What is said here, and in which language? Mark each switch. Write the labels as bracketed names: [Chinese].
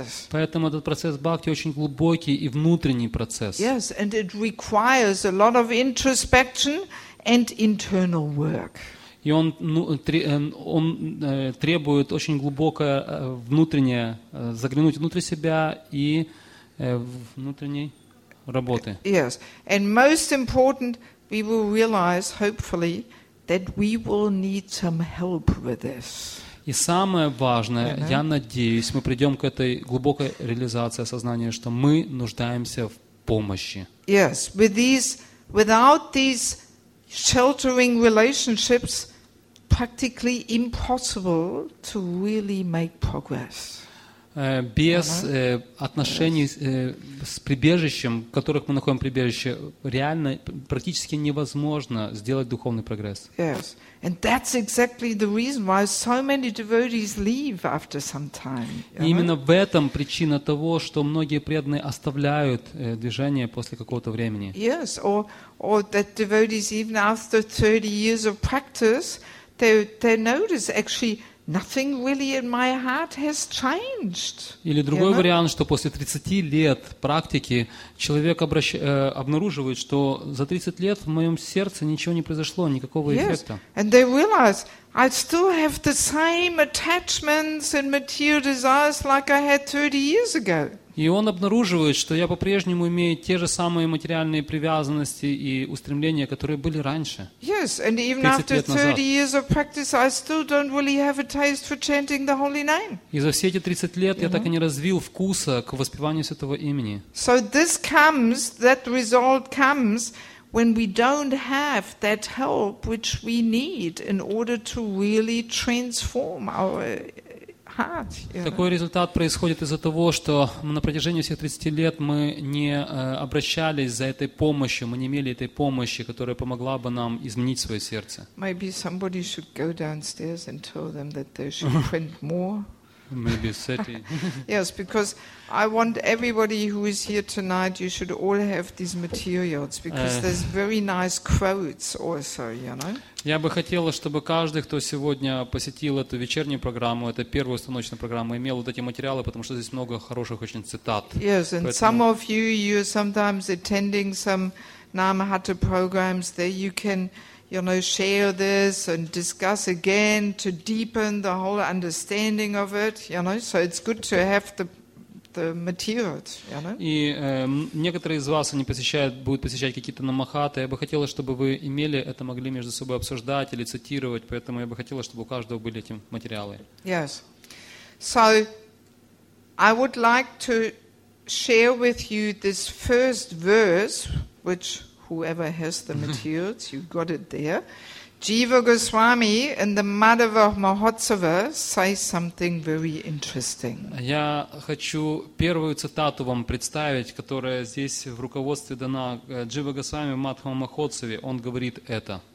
[Russian] Поэтому этот процесс бхакти очень глубокий и внутренний процесс. [English] Yes, and it requires a lot of introspection and internal work. [Russian] И он, ну, он требует очень глубокое внутреннее, заглянуть внутрь себя и внутренней работы. [English] Yes. And most important, we will realize, hopefully, that we will need some help with this. [Russian] И самое важное, я надеюсь, мы придем к этой глубокой реализации осознания, что мы нуждаемся в помощи. [English] Yes. With these, without these sheltering relationships, practically impossible to really make progress. [Russian] Без отношений с прибежищем, в которых мы находим прибежище, реально практически невозможно сделать духовный прогресс. [English] Yes. And that's exactly the reason why so many devotees leave after some time. [Russian] Именно в этом причина того, что многие преданные оставляют движение после какого-то времени. [English] Yes, or that devotees even after 30 years of practice they notice actually nothing really in my heart has changed. [Russian] Или другой вариант, что после 30 лет практики человек обнаруживает, что за 30 лет в моем сердце ничего не произошло, никакого эффекта. [English] Yes. And they realize I still have the same attachments and material desires like I had 30 years ago. [Russian] И он обнаруживает, что я по-прежнему имею те же самые материальные привязанности и устремления, которые были раньше. [English] Yes, and even after 30 years of practice, I still don't really have a taste for chanting the holy name. [Russian] И за все эти 30 лет я так и не развил вкуса к воспеванию святого имени. [English] So this comes, that result comes when we don't have that help which we need in order to really transform our [Russian] Такой результат происходит из-за того, что на протяжении всех 30 лет мы не обращались за этой помощью, мы не имели этой помощи, которая помогла бы нам изменить свое сердце. [English] Maybe somebody should go downstairs and tell them that they should print more. Maybe Seti. Yes, because I want everybody who is here tonight, you should all have these materials, because there's very nice quotes also, you know. [Russian] Я бы хотела, чтобы каждый, кто сегодня посетил эту вечернюю программу, эту первую установочную программу, имел вот эти материалы, потому что здесь много хороших очень цитат. [English] Yes, and [Russian] поэтому... [English] some of you, you're sometimes attending some Namahata programs, there you can, you know, share this and discuss again to deepen the whole understanding of it, you know, so it's good to have the materials, you know. [Russian] И некоторые из вас, они посещают, будут посещать какие-то намахаты, я бы хотела, чтобы вы имели это, могли между собой обсуждать или цитировать, поэтому я бы хотела, чтобы у каждого были эти материалы. [English] Yes. So, I would like to share with you this first verse, which whoever has the materials, you've got it there. Jiva Goswami in the Madhava Mahotsava says something very interesting. [Russian] Я хочу первую цитату вам представить, которая здесь в руководстве дана. Jiva Goswami в Madhava Mahotsava, он говорит это.